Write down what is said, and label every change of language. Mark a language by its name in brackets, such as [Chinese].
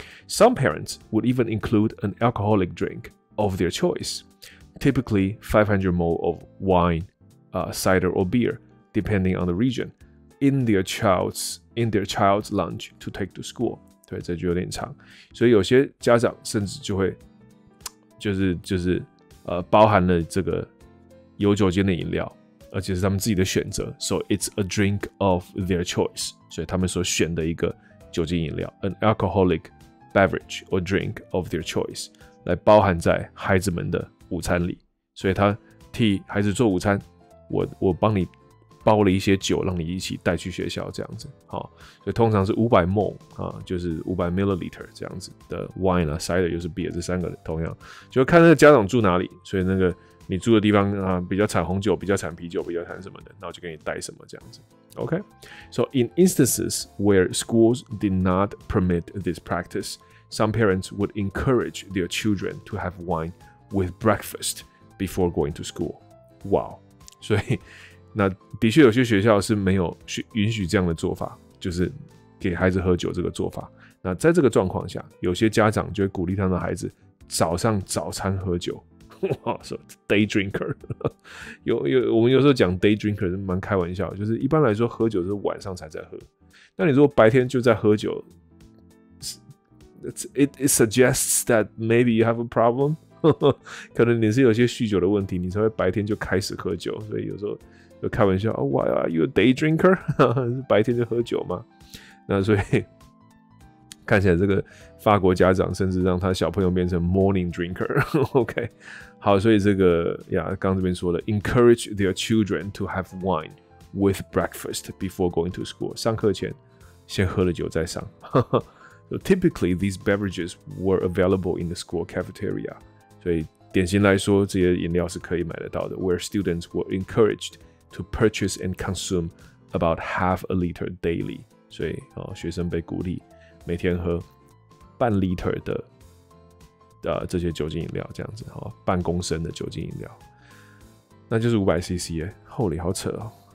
[English] Some parents would even include an alcoholic drink of their choice, typically 500 ml of wine. Cider or beer, depending on the region, in their child's lunch to take to school. [Chinese] 对，这句有点长，所以有些家长甚至就会，就是包含了这个有酒精的饮料，而且是他们自己的选择。 [English] So it's a drink of their choice. [Chinese] 所以他们所选的一个酒精饮料 [English] ，an alcoholic beverage or drink of their choice， [Chinese] 来包含在孩子们的午餐里。所以他替孩子做午餐。我帮你包了一些酒，让你一起带去学校这样子，好，所以通常是500 ml 啊，就是500 milliliter 这样子的 wine 啊 ，cider 又是 beer， 这三个同样，就看那个家长住哪里，所以那个你住的地方啊，比较产红酒，比较产啤酒，比较产什么的，那我就给你带什么这样子 ，OK。 [English] So in instances where schools did not permit this practice, some parents would encourage their children to have wine with breakfast before going to school. Wow. [Chinese] 所以，那的确有些学校是没有允许这样的做法，就是给孩子喝酒这个做法。那在这个状况下，有些家长就会鼓励他们的孩子早上早餐喝酒，哇，说 day drinker。我们有时候讲 day drinker 是蛮开玩笑，就是一般来说喝酒是晚上才在喝。那你如果白天就在喝酒 ， [English] it suggests that maybe you have a problem。 [Chinese] 可能你是有些酗酒的问题，你才会白天就开始喝酒，所以有时候就开玩笑啊、oh, ， [English] Why are you a day drinker？ [Chinese] 白天就喝酒吗？那所以看起来这个法国家长甚至让他小朋友变成 morning drinker 。 OK， 好，所以这个呀，刚这边说了 ， [English] encourage their children to have wine with breakfast before going to school， [Chinese] 上课前先喝了酒再上。 [English] So typically these beverages were available in the school cafeteria。 [Chinese] 所以典型来说，这些饮料是可以买得到的。 [English] Where students were encouraged to purchase and consume about half a liter daily， [Chinese] 所以啊、哦，学生被鼓励每天喝半 liter 的这些酒精饮料，这样子哈、哦，半公升的酒精饮料，那就是500 cc 耶、欸，厚礼好扯哦！